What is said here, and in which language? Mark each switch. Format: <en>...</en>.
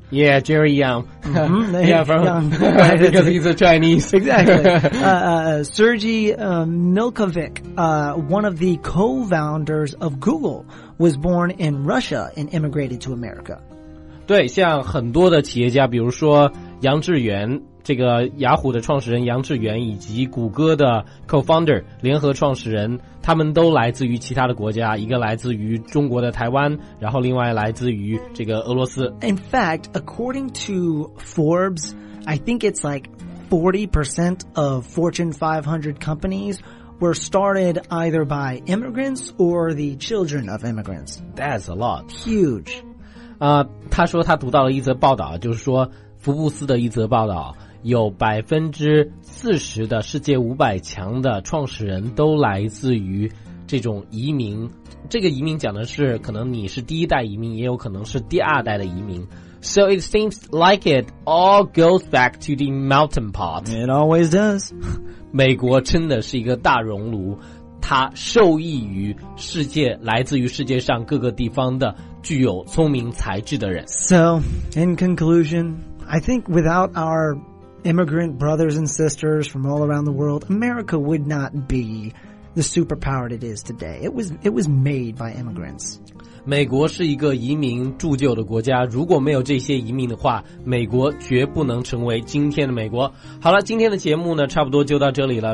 <en>Yeah, Jerry Yang. Mm-hmm. Yeah, from Yang. Because he's a Chinese. Exactly. Sergey Milkovic, one of the co-founders of Google, was born in Russia and immigrated to America.</en> <zh>对，像很多的企业家，比如说杨致远，这个雅虎的创始人杨致远，以及谷歌的 co-founder 联合创始人，他们都来自于其他的国家，一个来自于中国的台湾，然后另外来自于这个俄罗斯。</zh> <en>In fact, according to Forbes, I think it's like 40% of Fortune 500 companies were started either by immigrants or the children of immigrants. That's a lot. Huge.</en> <zh>他说他读到了一则报道，就是说福布斯的一则报道，有40%的世界500强的创始人都来自于这种移民。这个移民讲的是可能你是第一代移民，也有可能是第二代的移民。</zh> <en>So it seems like it all goes back to the melting pot. It always does.</en> <zh>美国真的是一个大熔炉，它受益于世界，来自于世界上各个地方的具有聪明才智的人。</zh> <en>So, in conclusion, I think without our... immigrant brothers and sisters from all around the world, America would not be the superpower it is today. It was made by immigrants.</en> <zh>美国是一个移民铸就的国家，如果没有这些移民的话，美国绝不能成为今天的美国。好了，今天的节目呢，差不多就到这里了。</zh>